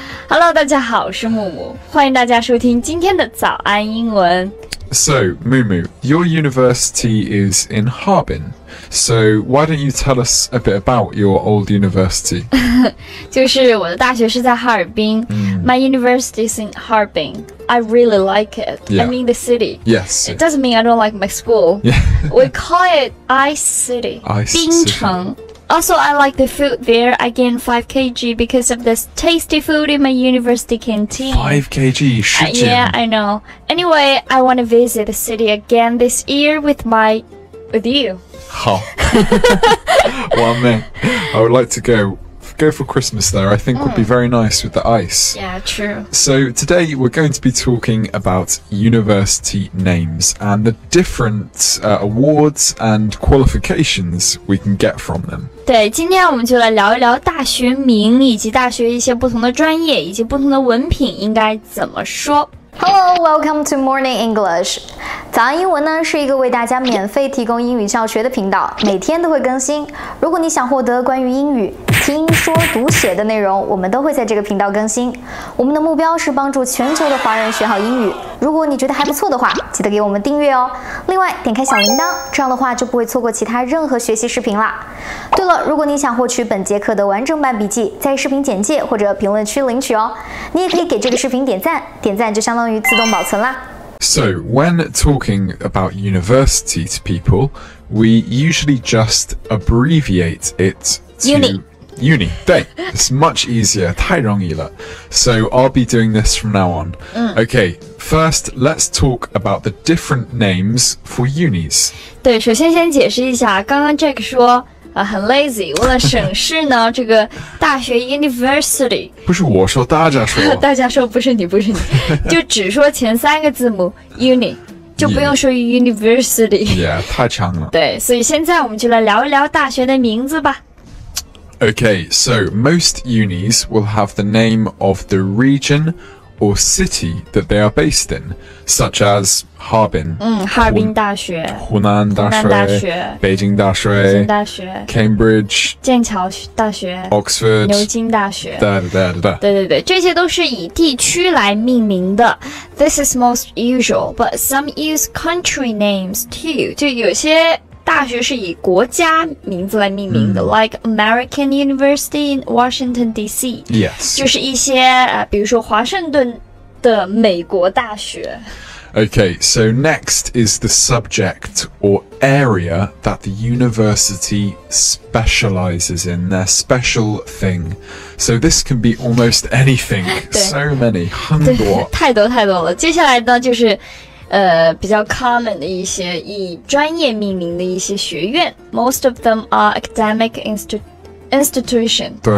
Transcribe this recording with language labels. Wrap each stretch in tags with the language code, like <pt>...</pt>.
<zh>Hello， 大家好，我是木木，欢迎大家收听今天的早安英文。</zh> <en>So, Mumu, your university is in Harbin. So, why don't you tell us a bit about your old university?</en> <zh>就是我的大学是在哈尔滨。</zh> <en>My university is in Harbin. I really like it. Yeah. I mean the city. Yes. It doesn't mean I don't like my school. Yeah. We call it Ice City. Ice City.</en> <zh>冰城。</zh> <en>Also, I like the food there. I gained 5 kg because of this tasty food in my university canteen. 5 kg, 10 kg. Yeah, I know. Anyway, I want to visit the city again this year with you.</en> <zh>好。</zh> <en>Well, man, I would like to go for Christmas there. I think would be very nice with the ice. Yeah, true. So today we're going to be talking about university names and the different awards and qualifications we can get from them.</en> <zh>对，今天我们就来聊一聊大学名以及大学一些不同的专业以及不同的文凭应该怎么说。 Hello, welcome to Morning English. 早安英文呢是一个为大家免费提供英语教学的频道，每天都会更新。如果你想获得关于英语听说读写的内容，我们都会在这个频道更新。我们的目标是帮助全球的华人学好英语。如果你觉得还不错的话，记得给我们订阅哦。另外，点开小铃铛，这样的话就不会错过其他任何学习视频啦。对了，如果你想获取本节课的完整版笔记，在视频简介或者评论区领取哦。你也可以给这个视频点赞，点赞就相当于自动保存啦。</zh> <en>So, when talking about university to people, we usually just abbreviate it to uni.</en> <zh>对,</zh> <en>it's much easier,</en> <zh>太容易了。</zh> <en>So, I'll be doing this from now on. Okay. First, let's talk about the different names for unis.</en> <zh>对，首先先解释一下，刚刚 Jack 说，很 lazy， 为了省事呢，这个大学 university 不是我说，大家说，大家说不是你，就只说前三个字母 uni， 就不用说 university。 Yeah， 太长了。对，所以现在我们就来聊一聊大学的名字吧。</zh> <en>Okay, so most unis will have the name of the region. Or city that they are based in, such as Harbin,</en> <zh>哈尔滨大学，湖南大学，湖南大学，北京大学，北京大学</zh> <en>，Cambridge，</en> <zh>剑桥大学</zh> <en>，Oxford，</en> <zh>牛津大学，对，这些都是以地区来命名的。</zh> <en>This is most usual, but some use country names too.</en> <zh>就有些大学是以国家名字来命名的、</zh> <en>like American University in Washington DC Yes</en> <zh>就是一些、比如说华盛顿的美国大学</zh> <en>Okay, so next is the subject or area that the university specializes in Their special thing So this can be almost anything So many</en> <zh>很多太多了接下来呢就是比较 common 的一些以专业命名的一些学院</zh> <en>Most of them are academic institution</en>